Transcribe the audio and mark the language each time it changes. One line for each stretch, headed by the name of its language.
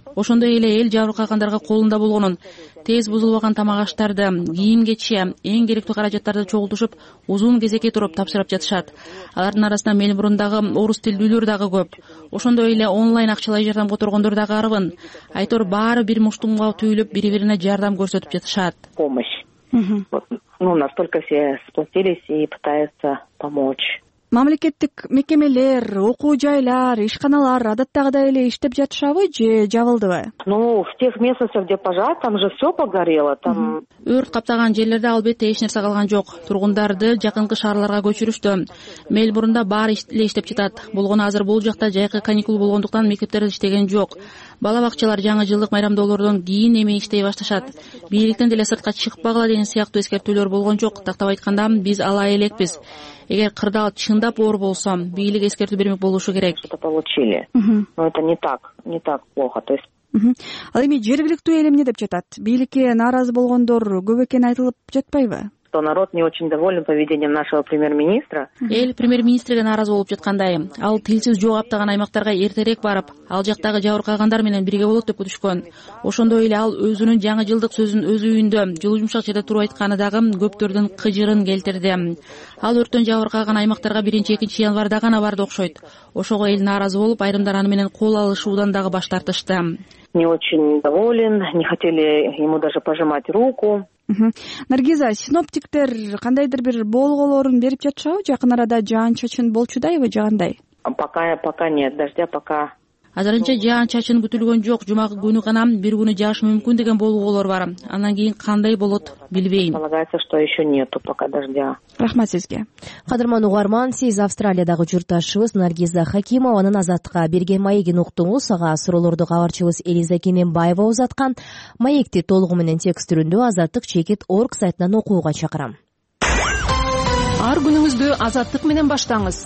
Kyrgyz: Ошондой эле эл жабыркагандарга колунда болгонун, тез бузулбаган тамак аштарды, кийим кечээ, эң керектүү каражаттарды чогултушуп, узун кезекке туруп тапшырып жатышат. Алардын арасында Мельбурндагы орус тилдүүлөр дагы көп. Ошондой эле онлайн акчалай жардам которгондор дагы арбын. Айтор баары бир муштумга түйүлүп, бири-бирине жардам көрсөтүп жатышат.
Russian: Помощь. Настолько все сплотились и пытаются помочь.
Kyrgyz: Мамлекеттик мекемелер, окуу жайлар, ишканалар адаттагыдай эле иштеп жатышабы же жабылдыбы?
Russian: Ну, в тех местах, где пожар, там же все погорело, там.
Kyrgyz: Өрт каптаган жерлерде албетте эч нерсе калган жок. Тургундарды жакынкы шаарларга көчүрүштү. Мельбурнда баары эле иштеп жатат. Болгону азыр бул жакта жайкы каникул болгондуктан мектептер иштеген жок. Бала бакчалар жаңы жылдык майрамдоолордон кийин эми иштей башташат. Бийликтен деле сыртка чыкпагыла деген сыяктуу эскертүүлөр болгон жок. Тактап айтканда, биз ала элекпиз. Эгер кырдаал чындап оор болсо, бийлик эскертүү бермек болушу керек.
Russian: Получили. Но это не так плохо. То есть
Kyrgyz: Ал эми жергиликтүү эл эмне деп жатат? Бийликке нааразы болгондор көп экени айтылып жатпайбы?
Russian: Народ не очень доволен поведением нашего премьер-министра.
Kyrgyz: Эл премьер-министрге нааразы болуп жаткандай, ал тилсиз жооп аптаган аймактарга эртерээк барып, ал жактагы жабыркагандар менен бирге болот деп күтүшкөн. Ошондой эле ал өзүнүн жаңы жылдык сөзүн өз үйүндө, жылуу жумшак жерде туруп айтканы дагы көптөрдүн кыжырын келтирди. Ал өрттөн жабыркаган аймактарга 1-2 январда гана барды окшойт. Ошого эл нааразы болуп, айрымдар аны менен кол алышуудан дагы баш тартышты.
Russian: Не очень доволен, не хотели ему даже пожимать руку.
Kyrgyz: Наргиза, синоптиктер кандайдыр бир болголорун берип жатышабы? Жакын арада жаан чачын болчудайбы, жагандай?
Russian: Пока нет, дождя пока.
Kyrgyz: Азырынча жаан чачын күтүлгөн жок, жума күнү гана бир күнү жаашы мүмкүн деген болголор бар. Андан кийин кандай болот, билбейм.
Russian: Полагается, что еще нету пока дождя.
Kyrgyz: Рахмат сизге. Кадырман угарман, сиз Австралиядагы журташыбыз Наргиза Хакимованын азатка берген маегин уктуңуз. Ага суроолорду кабарчыбыз Элиза Кененбаева узаткан. Маекти толугу менен текст түрүндө азаттык чекит орг сайтынан окууга чакырам. Ар күнүңүздү азаттык менен баштаңыз.